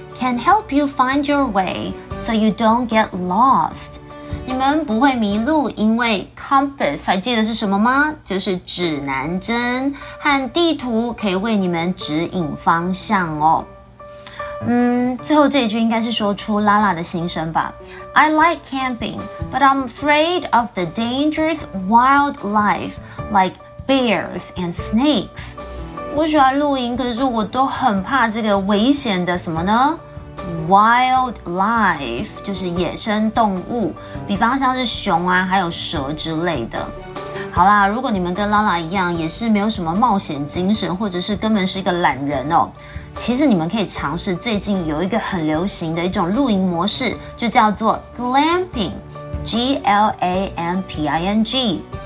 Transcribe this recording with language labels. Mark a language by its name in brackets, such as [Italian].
[English] Can help you find your way so you don't get lost. [Chinese] 你们不会迷路，因为 compass 还记得是什么吗？就是指南针和地图，可以为你们指引方向哦。最后这一句应该是说出 Lala 的心声吧。 [English] I like camping, but I'm afraid of the dangerous wildlife like bears and snakes. [Chinese] 我喜欢露营，可是我都很怕这个危险的什么呢？ Wildlife 就是野生动物，比方像是熊啊还有蛇之类的。好啦，如果你们跟 Lala 一样也是没有什么冒险精神，或者是根本是一个懒人哦，其实你们可以尝试最近有一个很流行的一种露营模式，就叫做 glamping G-L-A-M-P-I-N-G。